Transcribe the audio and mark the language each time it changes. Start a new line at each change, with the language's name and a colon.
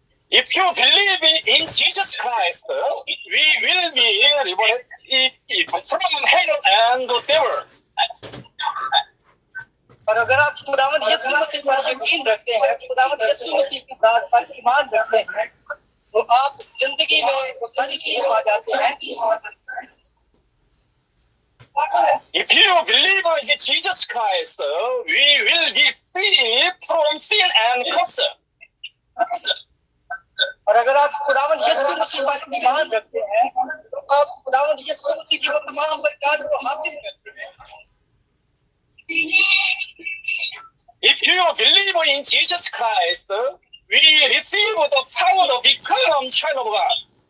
English: If you believe in Jesus Christ, we will be liberated from hell and the devil.
Hindi: और अगर आप खुदावंत यीशु मसीह पर यकीन रखते हैं, खुदावंत यीशु मसीह की बात पर ईमान रखते हैं, तो आप जिंदगी में उत्साही की आ जाते हैं।
English: If you believe in Jesus Christ, we will be free from sin and curse.
Hindi: और अगर आप खुदावंत यीशु मसीह पर ईमान रखते हैं, तो आप खुदावंत यीशु मसीह की तमाम बरकत को हासिल करते हैं।
English: If you believe in Jesus Christ, we receive the power to become child of God.